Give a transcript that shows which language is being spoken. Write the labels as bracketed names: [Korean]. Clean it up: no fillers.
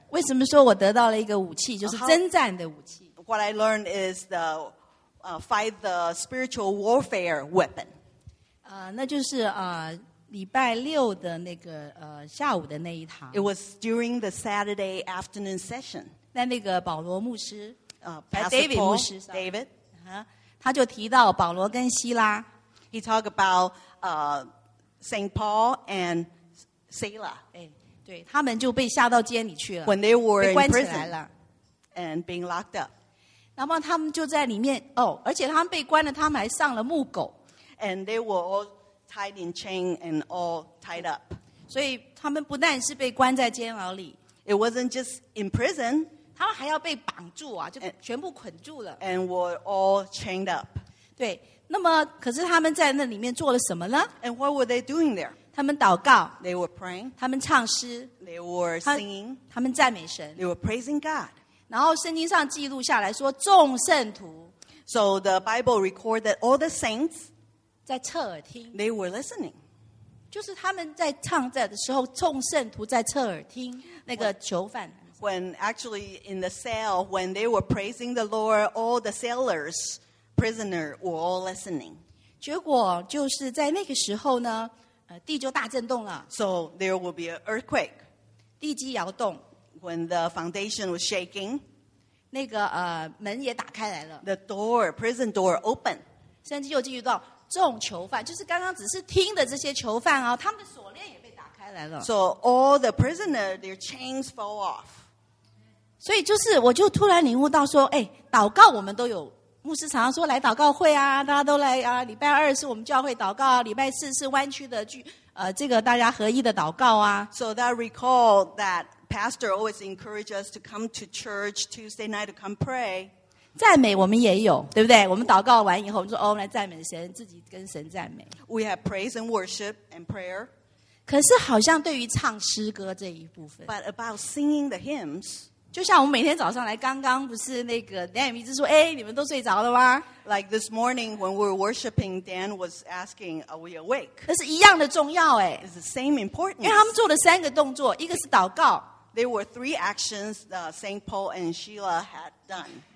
[Chinese] 为什么说我得到了一个武器，就是征战的武器。 [English] What I learned is the fight the spiritual warfare weapon. [Chinese] 那就是礼拜六的那个下午的那一堂。 [English] It was during the Saturday afternoon session. [Chinese] 那个保罗牧师。 [English] Pastor Paul, David, [Chinese] 他就提到保罗跟希拉。 [English] He talked about Saint Paul and Sila. [Chinese] 对，他们就被下到监里去了。 [English] When they were in prison, and being locked up, [Chinese] 然后他们就在里面哦，而且他们被关了，他们还上了木狗。 [English] And they were all tied in chain and all tied up. [Chinese] 所以他们不但是被关在监牢里 [English] ，It wasn't just in prison. [Chinese] 他们还要被绑住啊，就全部捆住了。 [English] And were all chained up. [Chinese] 对，那么可是他们在那里面做了什么呢 [English] ？And what were they doing there? [Chinese] 他们祷告。 [English] They were praying. [Chinese] 他们唱诗。 [English] They were singing. [Chinese] 他们赞美神。 [English] They were praising God. [Chinese] 然后圣经上记录下来说，众圣徒。 [English] So the Bible recorded all the saints [Chinese] 在侧耳听。 [English] They were listening. [Chinese] 就是他们在唱在的时候，众圣徒在侧耳听那个囚犯。 [English] When actually in the cell, when they were praising the Lord, all the sailors, prisoner, were all listening. [Chinese] 结果就是在那个时候呢，地就大震动了。 [English] So there will be an earthquake. [Chinese] 地基摇动。 [English] When the foundation was shaking, [Chinese] 那个门也打开来了。 [English] The door, prison door, open. [Chinese] 甚至又进入到众囚犯，就是刚刚只是听的这些囚犯啊，他们的锁链也被打开来了。 [English] So all the prisoner, their chains fall off. [Chinese] 所以就是我就突然领悟到说哎，祷告我们都有，牧师常常说来祷告会啊，大家都来啊，礼拜二是我们教会祷告，礼拜四是湾区的这个大家合一的祷告啊。 [English] So that recall that pastor always encourages us to come to church Tuesday night to come pray. [Chinese] 赞美我们也有，对不对？我们祷告完以后我们说哦，来赞美神，自己跟神赞美。 [English] We have praise and worship and prayer. [Chinese] 可是好像对于唱诗歌这一部分， [English] But about singing the hymns, [Chinese] 就像我们每天早上来，刚刚不是那个 Dan 一直说，哎，你们都睡着了吗 [English] ？Like this morning when we were worshiping, Dan was asking, "Are we awake?" [Chinese] 那是一样的重要哎。 [English] It's the same importance. [Chinese] 因为他们做了三个动作，一个是祷告。 [English] There were three actions Saint Paul and Sheila had done.